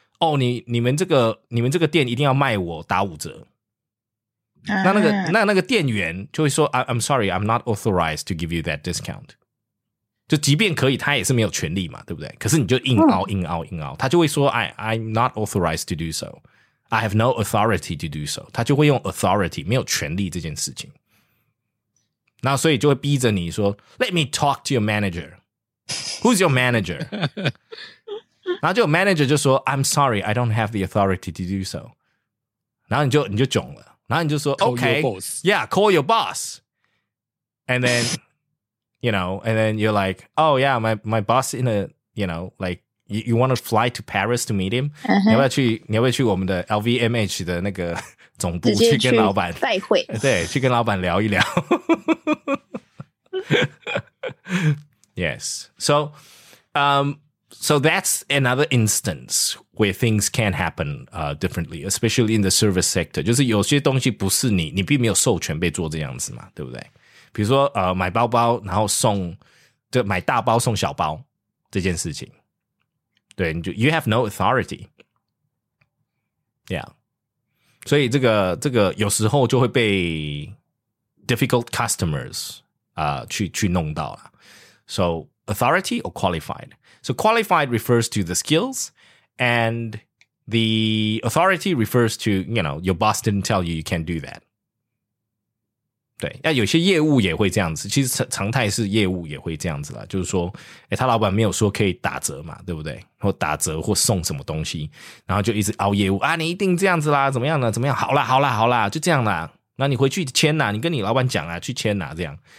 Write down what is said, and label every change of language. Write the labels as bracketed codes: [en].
[zh] 哦，你们这个店一定要卖我打五折。那个店员就会说 [en] I'm sorry, I'm not authorized to give you that discount. [zh] 就即便可以他也是没有权利嘛，对不对？可是你就硬凹。他就会说 [en] I'm not authorized to do so. I have no authority to do so. [zh] 他就会用 authority, 没有权利这件事情。那所以就会逼着你说 [en] Let me talk to your manager. Who's your manager? [zh] 然后就 [en] manager 就说 I'm sorry, I don't have the authority to do so. [zh] 然后你就窘了。然后你就说 [en] call OK, your boss. Yeah, call your boss. And then, you know, and then you're like, oh yeah, my boss in a, you know, like, you want to fly to Paris to meet him? [zh] 你要不要去我们的 LVMH 的那个总部去跟老板再会。对，去跟老板聊一聊。 [en] Yes. So that's another instance where things can happen differently, especially in the service sector. [zh] 就是有些东西不是你并没有授权被做这样子嘛，对不对？比如说买包包，然后送就买大包送小包这件事情，对， [en] you have no authority. [zh] Yeah. 所以这个有时候就会被 difficult customers 去弄到啦。 [en] So authority or qualified? So qualified refers to the skills, and the authority refers to, you know, your boss didn't tell you can't do that. [zh] 对，那有些业务也会这样子，其实常态是业务也会这样子啦，就是说，他老板没有说可以打折嘛，对不对？或打折或送什么东西，然后就一直熬业务啊，你一定这样子啦，怎么样呢？怎么样？好啦好啦好啦，就这样啦。那你回去签啦，你跟你老板讲啦，去签啦，这样。